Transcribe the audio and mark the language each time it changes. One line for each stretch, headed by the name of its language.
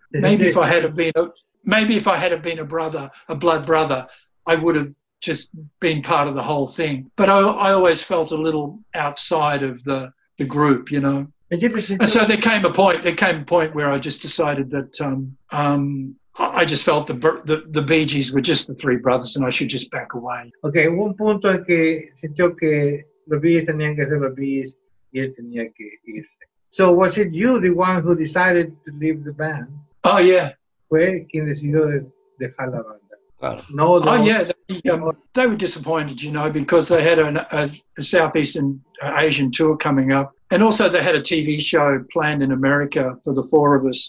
English: Maybe if I had been a blood brother, I would have just been part of the whole thing. But I always felt a little outside of the group, you know. And so there came a point where I just decided that I just felt the Bee Gees were just the three brothers and I should just back away.
Spanish: Okay, hubo un punto en que sintió que los Bee Gees tenían que ser los Bee Gees y él tenía que irse.
English: So was it you the one who decided to leave the band? Oh, yeah.
Spanish: Fue quien decidió dejar la banda. Claro. No, oh, yeah.
English: They were disappointed, you know, because they had a Southeastern Asian tour coming up. And also they had a TV show planned in America for the four of us.